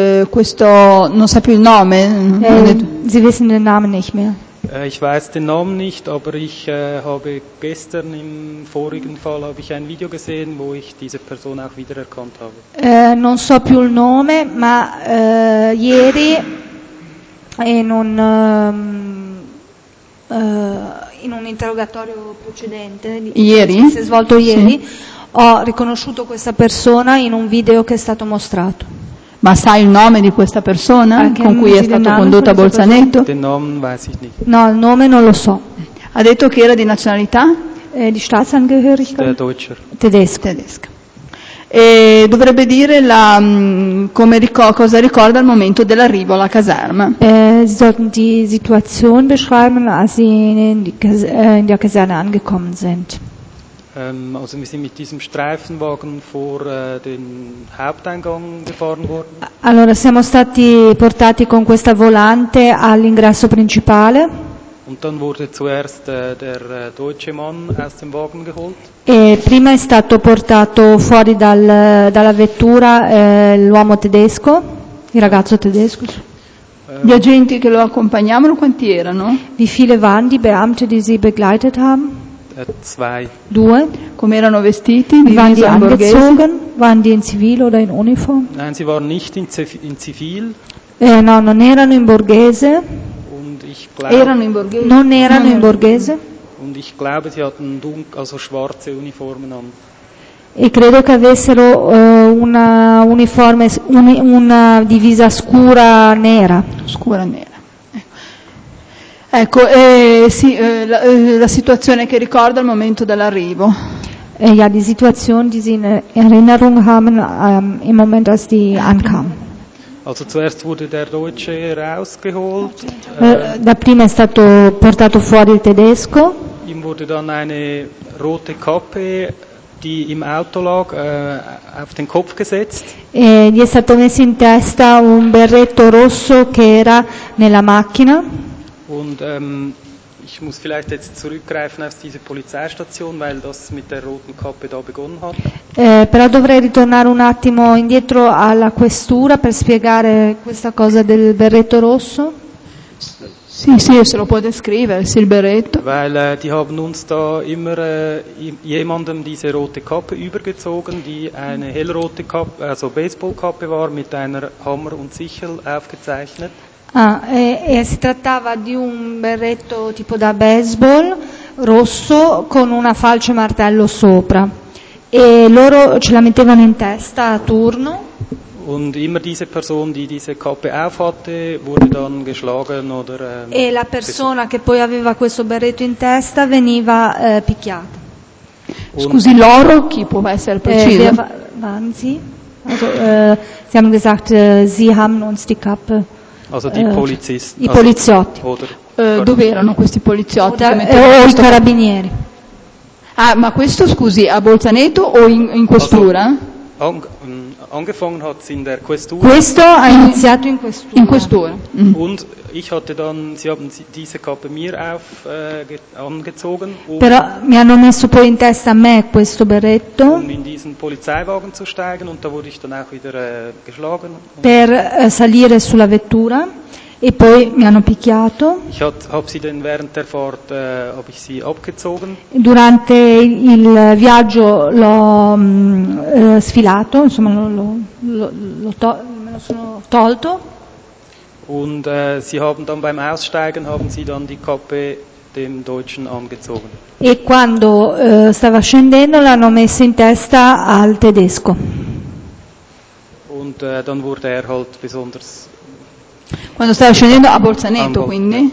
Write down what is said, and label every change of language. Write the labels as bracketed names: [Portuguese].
[Italian] Questo non sa più il nome. [German] Sie wissen den Namen nicht mehr. Ich weiß den Namen nicht, aber ich habe gestern im vorigen Fall habe ich ein Video gesehen, wo ich diese Person auch wiedererkannt habe. [Italian] Non so più il nome, ma ieri in un interrogatorio precedente, ieri? Che si è svolto ieri, sì. Ho riconosciuto questa persona in un video che è stato mostrato. Ma sai il nome di questa persona anche con cui è stato condotto a Bolzaneto? No, il nome non lo so. Ha detto che era di nazionalità? [German] Di Staatsangehörigkeit? Deutscher. [Italian] Tedesco. Tedesco. E dovrebbe dire cosa ricorda al momento dell'arrivo alla caserma. [German] Sie sollten die Situation beschreiben, als sie in der Kaserne angekommen sind. Also wir sind mit diesem Streifenwagen vor den Haupteingang gefahren worden. [Italian] Allora siamo stati portati con questa volante all'ingresso principale. [German] Und dann wurde zuerst der deutsche Mann aus dem Wagen geholt. [Italian] E prima è stato portato fuori dalla vettura l'uomo tedesco, il ragazzo tedesco. Gli agenti che lo accompagnavano quanti erano? [German] Wie viele waren die Beamte, die sie begleitet haben? Zwei. [Italian] Due. Come erano vestiti? [German] Waren die angezogen? Waren die in Zivil oder in Uniform? Nein, sie waren nicht in Zivil. [Italian] No, non erano in borghese. [German] Und ich [Italian] erano in borghese. Non erano in borghese. [German] Und ich glaube, sie hatten also schwarze Uniformen an. [Italian] E credo che avessero una uniforme, una divisa scura nera. Scura nera. Ecco, sì, la situazione che ricorda al momento dell'arrivo. [German] Ja, die Situation, die Sie in Erinnerung haben, im Moment, als die ankam. Also zuerst wurde der Deutsche rausgeholt. [Italian] Da prima è stato portato fuori il tedesco. [German] Ihm wurde dann eine rote Kappe, die im Auto lag, auf den Kopf gesetzt. [Italian] E gli è stato messo in testa un berretto rosso che era nella macchina. [German] Und ich muss vielleicht jetzt zurückgreifen auf diese Polizeistation, weil das mit der roten Kappe da begonnen hat. [Italian] Però dovrei ritornare un attimo indietro alla questura per spiegare questa cosa del berretto rosso. Sì, sì, se lo può descrivere, sì, il berretto. [German] Weil die haben uns da immer jemandem diese rote Kappe übergezogen, die eine hellrote Kappe, also Baseballkappe war, mit einer Hammer und Sichel aufgezeichnet. [Italian] Ah, e si trattava di un berretto tipo da baseball rosso con una falce martello sopra e loro ce la mettevano in testa a turno. [German] Und immer diese Person, die diese Kappe aufhatte, wurde dann geschlagen oder [Italian] e la persona che poi aveva questo berretto in testa veniva picchiata. Scusi, loro chi può essere preciso? [German] Wir haben gesagt, sie haben uns die Kappe Also die Polizisten, [Italian] i poliziotti. Dove erano questi poliziotti? I carabinieri. Ah, ma questo, scusi, a Bolzaneto o in questura? [German] Angefangen hat's in der Questura. [Italian] Questo ha iniziato in questura. In questura. Mm. [German] Und ich hatte dann, sie haben diese Kappe mir auf angezogen. [Italian] Però mi hanno messo poi in testa a me questo berretto. [German] Um in diesen Polizeiwagen zu steigen und da wurde ich dann auch wieder geschlagen. [Italian] Per salire sulla vettura e poi mi hanno picchiato. [German] Ich hab sie denn während der Fahrt hab ich sie abgezogen. [Italian] Durante il viaggio l'ho sfilato, insomma me lo sono tolto. [German] Und sie haben dann beim Aussteigen haben sie dann die Kappe dem Deutschen angezogen. [Italian] E quando stava scendendo l'hanno messa in testa al tedesco. [German] Und dann wurde er halt besonders. [Italian] Quando stava scendendo a Bolzaneto, quindi